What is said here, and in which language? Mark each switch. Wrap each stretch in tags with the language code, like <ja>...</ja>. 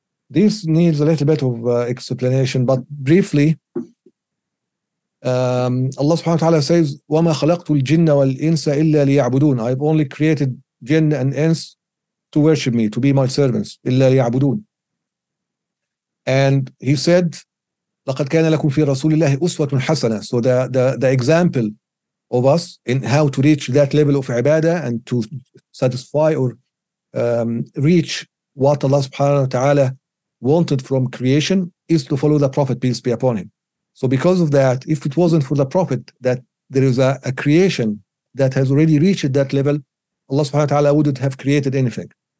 <en>This needs a little bit of explanation, but briefly, Allah subhanahu wa ta'ala says,</en> <ar>وَمَا خَلَقْتُ الْجِنَّ وَالْإِنسَ إِلَّا لِيَعْبُدُونَ.</ar> <en>I've only created jinn and ins to worship me, to be my servants.</en> <ar>إِلَّا لِيَعْبُدُونَ.</ar> <en>And he said,</en> <ar>لَقَدْ كَانَ لَكُمْ فِي رَسُولِ اللَّهِ أُسْوَةٌ حَسَنَةٌ.</ar> <en>So the example of us in how to reach that level of ibadah and to satisfy or reach what Allah subhanahu wa ta'ala wanted from creation is to follow the Prophet, peace be upon him. So because of that, if it wasn't for the Prophet that there is a creation that has already reached that level, Allah subhanahu wa ta'ala wouldn't have created anything.</en>